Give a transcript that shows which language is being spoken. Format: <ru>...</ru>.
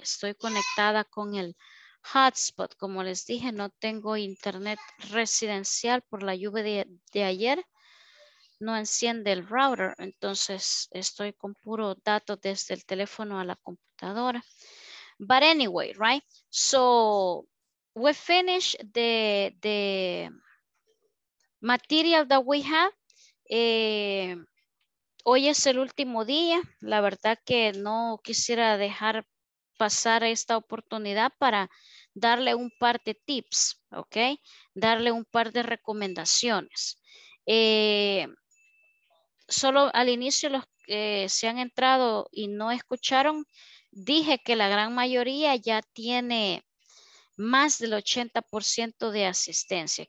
<es>Estoy conectada con el hotspot. Como les dije, no tengo internet residencial por la lluvia de ayer. No enciende el router, entonces estoy con puro dato desde el teléfono a la computadora.</es> <en>But anyway, right? So, we finish the material that we have.</en> <es>Hoy es el último día. La verdad que no quisiera dejar pasar esta oportunidad para darle un par de tips, ¿ok? Darle un par de recomendaciones. Solo al inicio, los que se han entrado y no escucharon, dije que la gran mayoría ya tiene más del 80% de asistencia.</es>